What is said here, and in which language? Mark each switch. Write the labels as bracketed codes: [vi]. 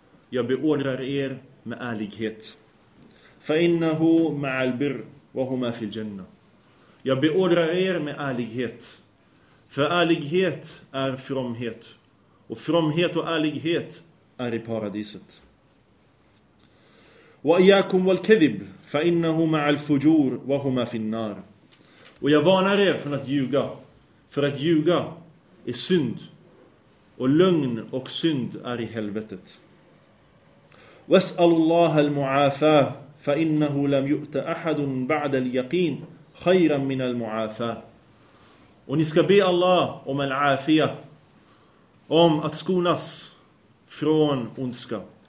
[sv] Jag beordrar er med ärlighet. [ar] فَإِنَّهُ مَعَ الْبِرِّ وَهُمَا فِي الْجَنَّةِ. [sv] Jag beordrar er med ärlighet. För ärlighet är fromhet. Och fromhet och ärlighet är i paradiset. [ar] وَإِيَّاكُمْ وَالْكَذِبِ فَإِنَّهُ مَعَ الْفُجُورِ وَهُمَا فِي النَّارِ. [sv] Och jag varnar er från att ljuga. För att ljuga är synd. Och lögn och synd är i helvetet. [ar] وَاسْأَلُ اللَّهَ الْمُعَافَى فَإِنَّهُ لَمْ يُؤْتَ أَحَدٌ بَعْدَ الْيَقِينِ خَيْرًا مِنَ الْمُعَافَةِ. [sv] Och ni ska be Allah om al-afia, om att skonas från ondska.